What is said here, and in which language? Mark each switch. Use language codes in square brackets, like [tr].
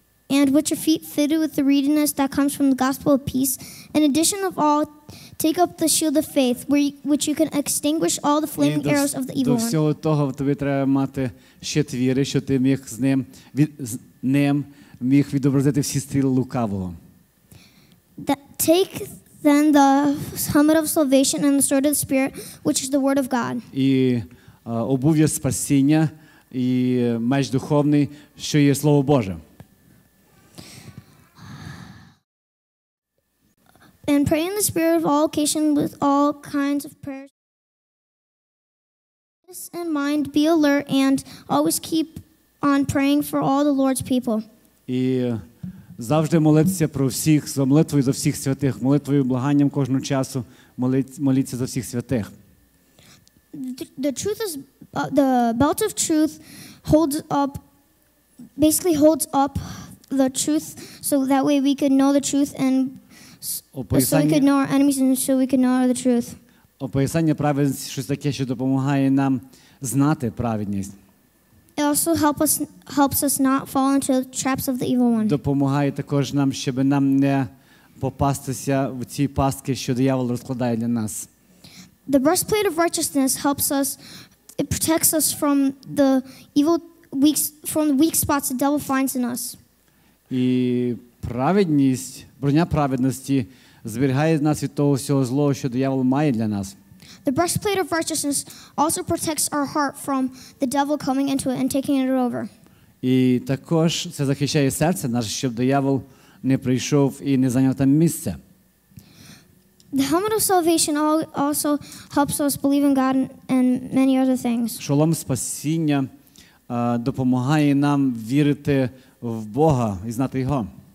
[en] And with your feet fitted with the readiness that comes from the gospel of peace, in addition of all, take up the shield of faith, which you can extinguish all the flaming arrows of the evil one. [uk] До всього того, тобі треба мати щит віри, що ти міг з ним міг відобразити всі стріли лукавого. [en] Take then the helmet of salvation and the sword of the spirit, which is the word of God. [uk] І обув'я спасіння і меч духовний, що є Слово Боже. [en] And pray in the spirit of all occasion with all kinds of prayers. This in mind, be alert and always keep on praying for all the Lord's people. [uk] І завжди молитися про всіх, за молитвою за всіх святих, молитвою, благанням кожного часу, моліться за всіх святих. [en] The belt of truth holds up the truth so that way we could know the truth and so we could know our enemies and so we could know the truth. [uk] Описання праведності щось таке, що допомагає нам знати праведність. [en] It also helps us not fall into the traps of the evil one. [uk] Допомагає також нам, щоб нам не попастися в ці пастки, що диявол розкладає для нас. [en] The breastplate of righteousness helps us. It protects us from the evil weak spots the devil finds in us. [uk] І праведність, броня праведності зберігає нас від того всього злого, що диявол має для нас. [en] The breastplate of righteousness also protects our heart from the devil coming into it and taking it over. [uk] І також це захищає серце наше, щоб диявол не прийшов і не зайняв там місце. [en] The helmet of salvation also helps us believe in God and many other things. [uk] Шолом спасіння допомагає нам вірити в Бога і знати його.